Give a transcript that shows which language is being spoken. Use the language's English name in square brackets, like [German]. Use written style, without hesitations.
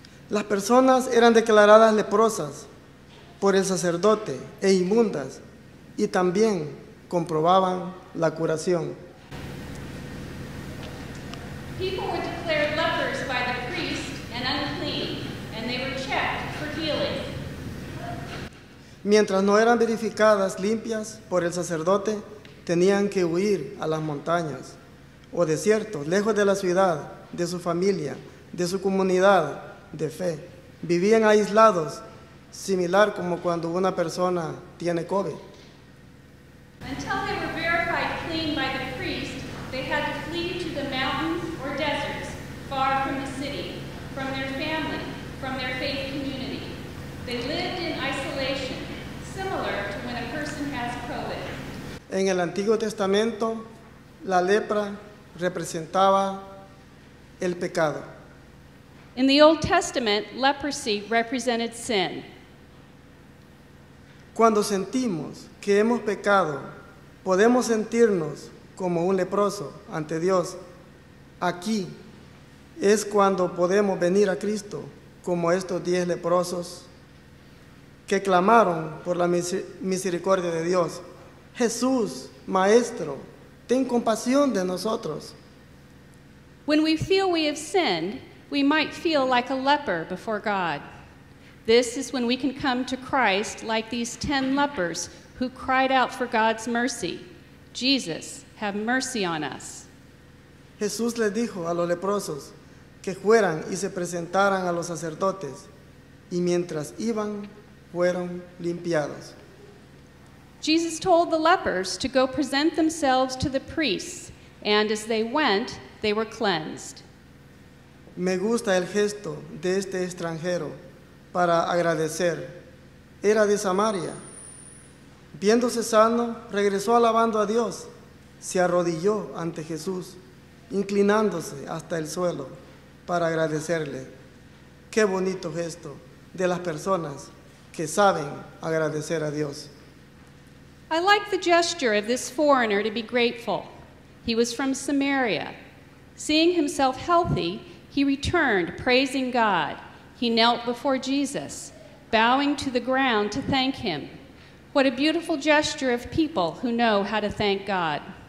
[Spanish] Las personas eran declaradas leprosas por el sacerdote e inmundas, y también comprobaban la curación. [English] People were declared lepers by the priest and unclean, and they were checked for healing. [Spanish] Mientras no eran verificadas limpias por el sacerdote, tenían que huir a las montañas o desiertos, lejos de la ciudad, de su familia, de su comunidad de fe. Vivían aislados, similar como cuando una persona tiene COVID. [English] Until they were verified clean by the priest, they had to flee to the mountains or deserts, far from the city, from their family, from their faith community. They lived in isolation, similar to when a person has COVID. [Spanish] En el Antiguo Testamento, la lepra representaba el pecado. [English] In the Old Testament, leprosy represented sin. [Spanish] Cuando sentimos que hemos pecado, podemos sentirnos como un leproso ante Dios. Aquí es cuando podemos venir a Cristo como estos 10 leprosos que clamaron por la misericordia de Dios. Jesús, Maestro, ten compasión de nosotros. [English] When we feel we have sinned, we might feel like a leper before God. This is when we can come to Christ like these 10 lepers who cried out for God's mercy. Jesus, have mercy on us. [Spanish] Jesús les dijo a los leprosos que fueran y se presentaran a los sacerdotes, y mientras iban, fueron limpiados. [English] Jesus told the lepers to go present themselves to the priests, and as they went, they were cleansed. [Spanish] Me gusta el gesto de este extranjero para agradecer. Era de Samaria. Viéndose sano, regresó alabando a Dios. Se arrodilló ante Jesús, inclinándose hasta el suelo para agradecerle. Qué bonito gesto de las personas que saben agradecer a Dios. [English] I like the gesture of this foreigner to be grateful. He was from Samaria. Seeing himself healthy, he returned, praising God. He knelt before Jesus, bowing to the ground to thank him. What a beautiful gesture of people who know how to thank God.